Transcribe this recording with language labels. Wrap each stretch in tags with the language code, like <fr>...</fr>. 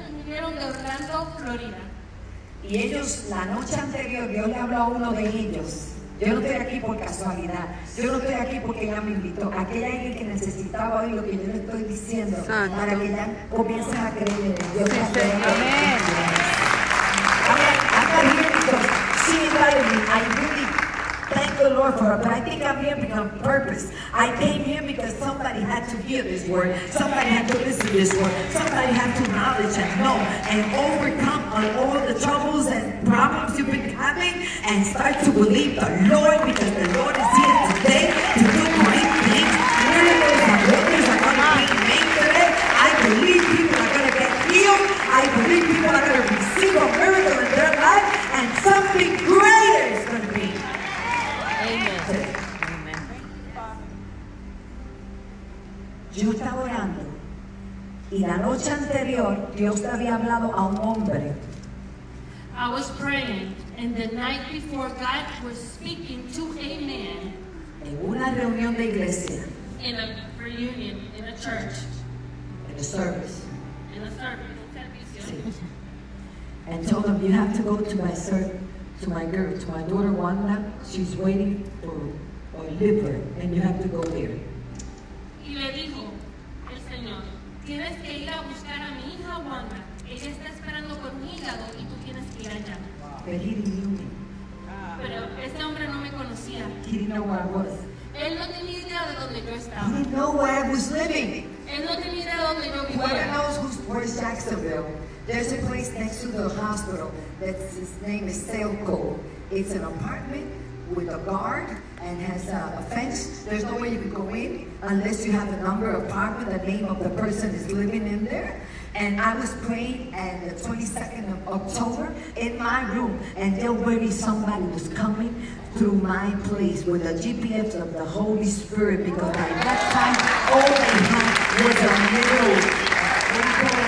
<es>vinieron de Orlando, Florida. Y ellos, la noche anterior, yo le hablo a uno de ellos. Yo no estoy aquí por casualidad. Yo no estoy aquí porque ella me invitó. Aquí hay alguien que necesitaba oír lo que yo le estoy diciendo. Santo. Para que ella comience a creer en Dios. Sí, sí, sí. Amén. Amén.</es> <en>Sí, darling, I really thank the Lord for her, but I think I'm here because of purpose. I came here because somebody had to hear this word. Somebody had to listen to this word. Somebody had to knowledge and know and overcome all the troubles and problems you've been having and start to believe the Lord, because the Lord is here today to do great things. Miracles and wonders are going to be made today. I believe people are going to get healed. I believe people are going to receive a miracle in their life, and something greater is going to be.</en> <es>Yo estaba orando y la noche anterior Dios te había hablado a un hombre.</es> <en>I was praying and the night before God was speaking to a man.</en> <es>En una reunión de iglesia.</es> <en>In a reunion in a church. In a service. In a service. And told him, you have to go to my service. To my girl, to my daughter Wanda, she's waiting for a liver, and you have to go there.</en> <es>Y le dijo el Señor, tienes que ir a buscar a mi hija Wanda. Ella está esperando por un hígado, y tú tienes que ir allá.</es> <en>But he didn't know me.</en> <es>Pero este hombre no me conocía.</es> <en>He didn't know where I was.</en> <es>Él no tenía idea de dónde yo estaba.</es> <en>He didn't know where I was living.</en> <es>Él no tenía idea de dónde yo vivía.</es> <en>Whoever knows who's, where's Jacksonville? There's a place next to the hospital that's, his name is Selco. It's an apartment with a guard and has a fence. There's no way you can go in unless you have the number of apartment, the name of the person is living in there. And I was praying at the 22nd of October in my room, and already somebody was coming through my place with the GPS of the Holy Spirit, because at that time all they had was a little</en>